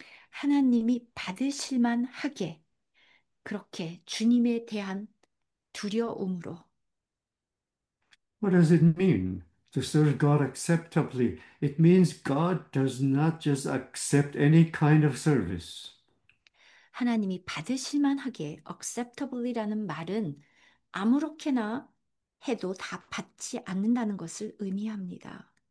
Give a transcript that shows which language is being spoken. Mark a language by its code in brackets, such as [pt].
[ko] 하나님이 받으실 만하게 그렇게 주님에 대한 두려움으로 [en] What does it mean to serve God acceptably? It means God does not just accept any kind of service. [ko] 하나님이 받으실 만하게 acceptable이라는 말은 아무렇게나 해도 다 받지 않는다는 것을 의미합니다.